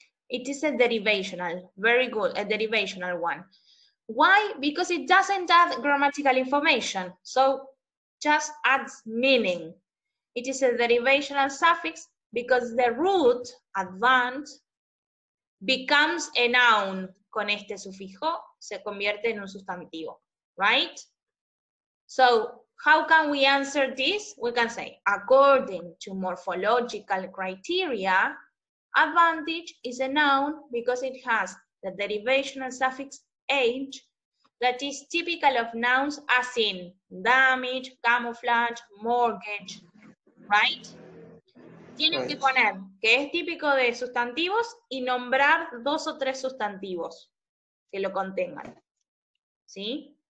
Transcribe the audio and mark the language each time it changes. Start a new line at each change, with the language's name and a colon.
English: It is a derivational, very good, a derivational one. Why? Because it doesn't add grammatical information, so just adds meaning. It is a derivational suffix because the root, advance, becomes a noun.
Spanish: Con este sufijo, se convierte en un sustantivo,
English: right? So, how can we answer this? We can say, according to morphological criteria, advantage is a noun because it has the derivational suffix age that is typical of nouns as in damage, camouflage, mortgage, right?
Spanish: Tienen
English: right.
Spanish: que poner que es típico de sustantivos y nombrar dos o tres sustantivos que lo contengan, ¿sí?